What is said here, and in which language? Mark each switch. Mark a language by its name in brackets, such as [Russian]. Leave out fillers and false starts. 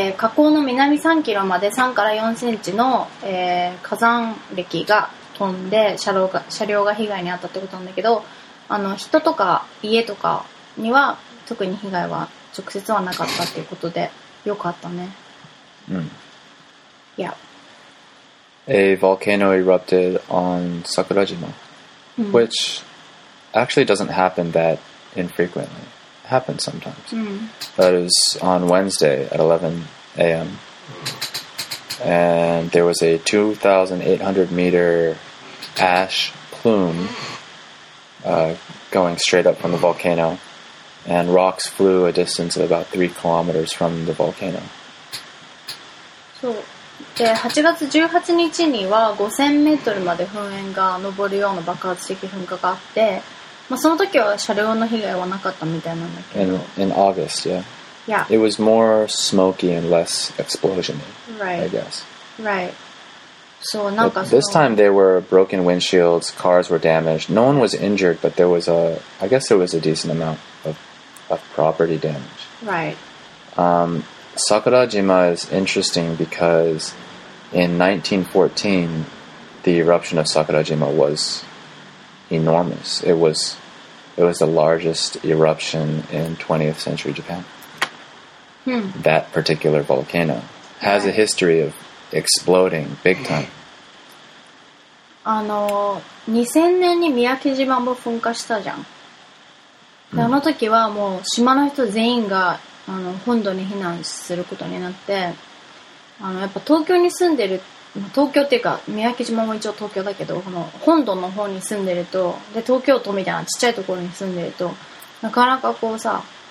[Japanese] 火口の南3キロまで3から4センチの、火山礫が飛んで車両が被害に遭ったってことなんだけど、あの人とか家とかには特に被害は直接はなかったっていうことでよかったね。うん。 [English] Yeah. A volcano erupted on Sakurajima,、うん、which actually doesn't happen that infrequently. It happens sometimes.、うん、 But it was on Wednesday at 11 a.m. And there was a 2,800 meter ash plume. Going straight up from the volcano, and rocks flew a distance of about 3 kilometers from the volcano. [Japanese] So, で8月18日には5000メートルまで噴煙が上るような爆発的噴火があって、まあ、その時は車両の被害はなかったみたいなんだけど。 [English] In August, yeah. Yeah. It was more smoky and less explosion-y, right. I guess. [Japanese] Right. そうなんかその [English] this time there were broken windshields, cars were damaged. No one was injured, but there was I guess there was a decent amount of property damage. Right. Sakurajima is interesting because in 1914, the eruption of Sakurajima was enormous. It was the largest eruption in 20th century Japan. Hmm. That particular volcano has a history of exploding big time. [Japanese] あの2000年に三宅島も噴火したじゃん。であの時はもう島の人全員があの本土に避難することになって、あのやっぱ東京に住んでる、東京っていうか三宅島も一応東京だけど、この本土の方に住んでると、で東京都みたいなちっちゃいところに住んでると、なかなかこうさ